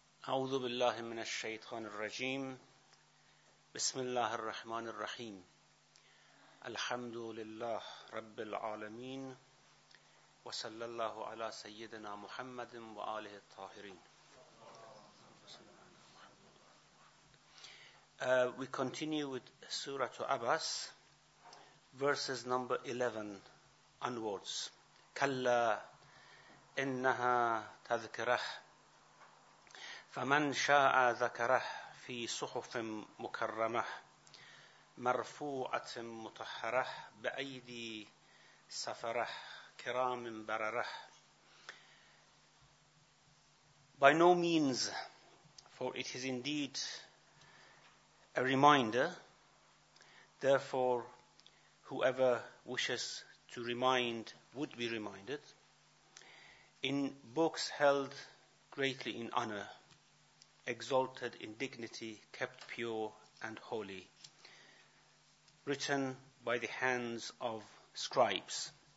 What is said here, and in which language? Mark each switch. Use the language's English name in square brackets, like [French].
[Arabic] أعوذ بالله من الشيطان الرجيم بسم الله الرحمن الرحيم الحمد لله رب العالمين وصلى الله على سيدنا محمد وآله الطاهرين. [English] We continue with Surah Abbas, verses number 11 onwards. [Arabic] كلا إنها تذكره فمن شاء ذكره في صحف مكرمة مرفوعة مطهرة بأيدي سفرة كرام بررة. [English] By no means, for it is indeed a reminder, therefore whoever wishes to remind would be reminded, in books held greatly in honor, exalted in dignity, kept pure and holy, written by the hands of scribes.